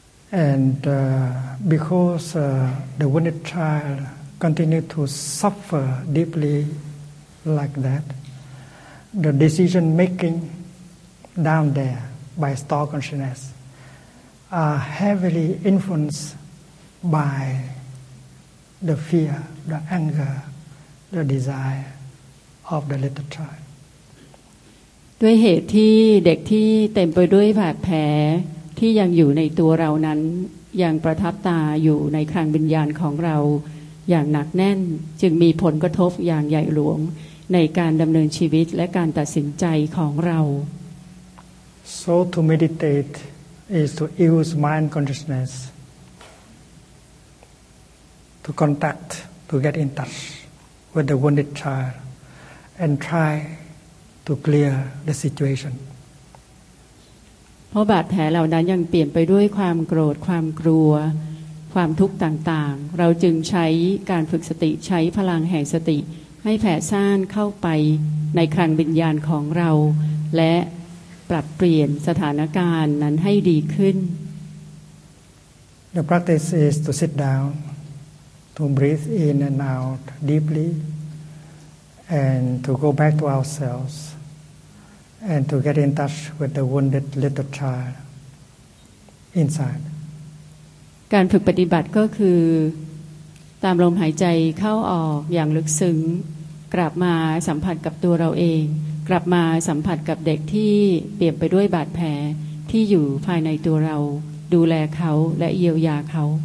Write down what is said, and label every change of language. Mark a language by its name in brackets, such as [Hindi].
[English] And because the wounded child continued to suffer deeplylike that, the decision making down there by store consciousness are heavily influenced by the fear, the anger, the desire of the little child. [Thai] ด้วยเหตุที่เด็กที่เต็มไปด้วยบาดแผลที่ยังอยู่ในตัวเรานั้นยังประทับตาอยู่ในครังวิญญาณของเราอย่างหนักแน่นจึงมีผลกระทบอย่างใหญ่หลวงในการดำเนินชีวิตและการตัดสินใจของเรา [English] So to meditate is to use mind consciousness to contact, to get in touch with the wounded child and try to clear the situation [Thai] เพราะบาดแผลเหล่านั้นยังเปลี่ยนไปด้วยความโกรธความกลัวความทุกข์ต่างๆเราจึงใช้การฝึกสติใช้พลังแห่งสติให้แผ่ซ่านเข้าไปในครังวิญญาณของเราและปรับเปลี่ยนสถานการณ์นั้นให้ดีขึ้น [English] The practice is to sit down to breathe in and out deeply and to go back to ourselves and to get in touch with the wounded little child inside [Thai] การฝึกปฏิบัติก็คือตามลมหายใจเข้าออกอย่างลึกซึ้งกลับมาสัมผัสกับตัวเราเองกลับมาสัมผัสกับเด็กที่เปียกไปด้วยบาดแผลที่อยู่ภายในตัวเราดูแลเขาและเยียวยาเขา